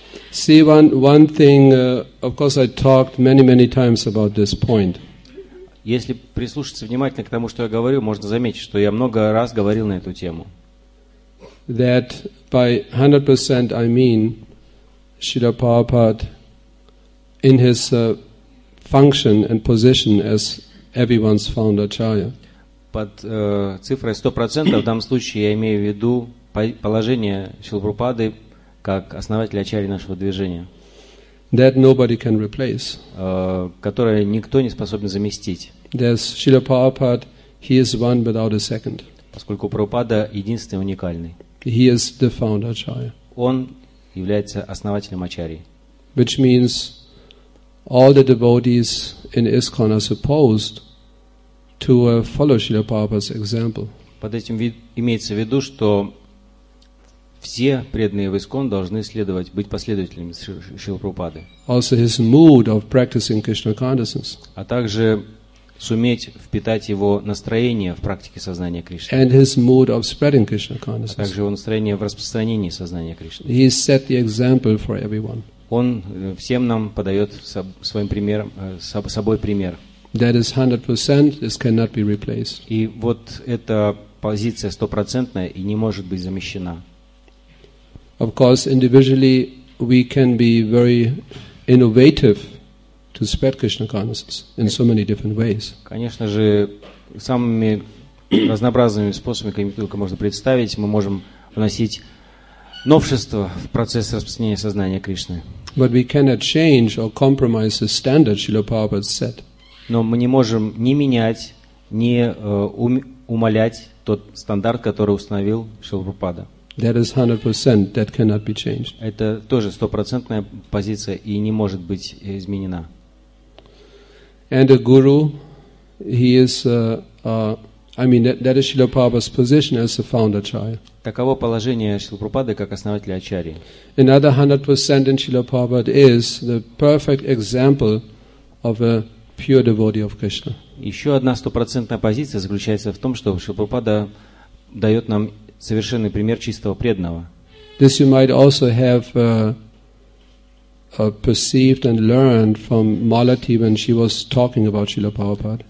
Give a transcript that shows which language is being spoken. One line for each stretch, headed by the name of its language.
English: See, one thing, of course, I talked many times about this point.
Russian: Если прислушаться внимательно к тому, что я говорю, можно заметить, что я много раз говорил на эту тему.
English: That by 100% I mean Srila Prabhupada in his function and position as everyone's founder acharya.
Russian: Под цифрой 100% в данном случае я имею в виду положение Шрилы Прабхупады как основателя ачарьи нашего движения.
English: That nobody can replace.
Russian: Которое никто не способен заместить.
English: There's Srila Prabhupada, he is one without a second.
Russian: Поскольку Прабхупада единственный, уникальный.
English: He is the founder acharya.
Russian: Он является основателем ачарьи.
English: Which means all the devotees in ISKCON are supposed to follow Srila Prabhupada's example.
Russian: Под этим имеется в виду, что все преданные в ISKCON должны следовать, быть последователями Шрилы Прабхупады.
English: Also his mood of practicing Krishna consciousness.
Russian: А также суметь впитать его настроение в практике сознания Кришны.
English: And his mood of spreading Krishna consciousness.
Russian: А также его настроение в распространении сознания Кришны.
English: He set the example for everyone.
Russian: Он всем нам подает своим примером, собой пример.
English: That is 100%, this cannot be replaced.
Russian: И вот эта позиция стопроцентная и не может быть замещена.
English: Of course, individually we can be very innovative to spread Krishna consciousness in so many different ways.
Russian: Конечно же, самыми разнообразными способами, какими только можно представить, мы можем вносить новшество в процесс распространения сознания Кришны.
English: But we cannot change or compromise the standard, Srila Prabhupada said.
Russian: Но мы не можем ни менять, ни умалять тот стандарт, который установил Шрила Прабхупада.
English: That is 100%. That cannot be changed.
Russian: Это тоже стопроцентная позиция и не может быть изменена.
English: And a guru, he is. That is Srila Prabhupada's position as the founder acharya.
Russian: Таково положение Шрила Прабхупады как основателя ачарьи.
English: Another 100% in Srila Prabhupada is the perfect example of a pure devotee of Krishna.
Russian: Еще одна стопроцентная позиция заключается в том, что Шрила Прабхупада дает нам совершенный пример чистого преданного.
English: This you might also have perceived and learned from Malati when she was talking about Srila Prabhupada.